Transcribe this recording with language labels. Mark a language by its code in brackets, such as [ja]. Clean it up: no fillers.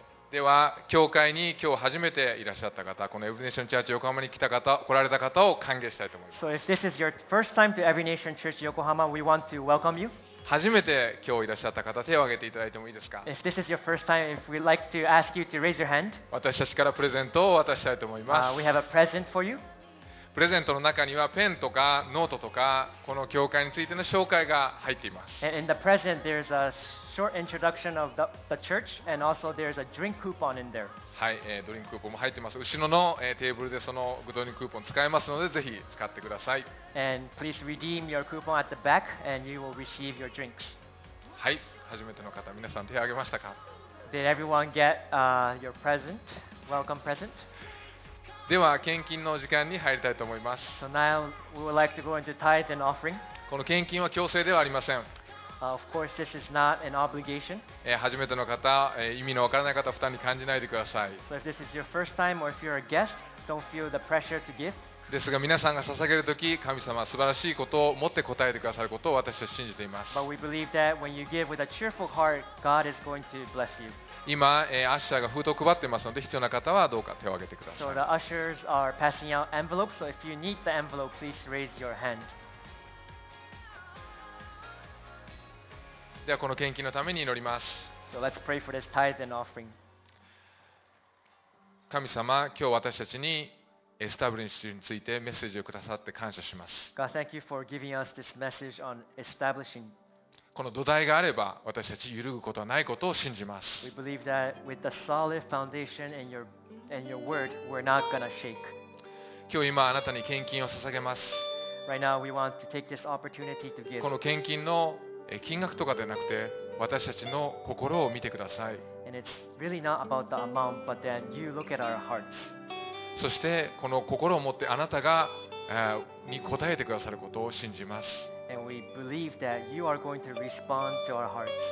[ja] では教会に今日初めていらっしゃった方、このエブリネーションチャーチ横浜に来た方、来られた方を歓迎したいと思います。 [en] So if this is your first time to Every Nation Church Yokohama, we want to welcome you. [ja] 初めて今日いらっしゃった方、手を挙げていただいてもいいですか。 [en] If this is your first time, if we'd like to ask you to raise your hand. [ja] 私たちからプレゼントを渡したいと思います。 [en] We have a present for you. [ja] プレゼントの中にはペンとかノートとかこの教会についての紹介が入っています。 [en] In the present, there's a short introduction of the church, and also there's a drink coupon in there. [ja] はい、ドリンククーポンも入っています。後ろのテーブルでそのドリンククーポン使えますので、ぜひ使ってください。 [en] And please redeem your coupon at the back, and you will receive your drinks. [ja] はい、初めての方、皆さん手を挙げましたか [en] ？Did everyone get your present? Welcome present? [ja] では献金の時間に入りたいと思います。 [en] So now we would like to go into tithe and offering. [ja] この献金は強制ではありません。 [en] Of course, this is not an obligation. [ja] 初めての方、意味のわからない方、負担に感じないでください。 [en] So if this is your first time or if you're a guest, don't feel the pressure to give. [ja] ですが皆さんが捧げるとき神様は素晴らしいことを持って答えてくださることを私は信じています。今アッシャーがフードを配っていますので必要な方はどうか手を挙げてください。 [en] So the ushers are passing out envelopes, so if you need the envelope, please raise your hand. [ja] ではこの献金のために祈ります。 [en] So let's pray for this tithe and offering. [ja] 神様、今日私たちにエスタブリッシュについてメッセージをくださって感謝します。 [en] God, thank you for giving us this message on establishing. [ja] この土台があれば私たち揺るぐことはないことを信じます。 [en] We believe that with the solid foundation and your word, we're not gonna shake. [ja] 今日今あなたに献金を捧げます。 [en] Right now we want to take this opportunity to give. [ja] この献金の金額とかでなくて私たちの心を見てください。 [en] And it's really not about the amount, but that you look at our hearts. [ja] そしてこの心を持ってあなたが、に応えてくださることを信じます。 [en] And we believe that you are going to respond to our hearts.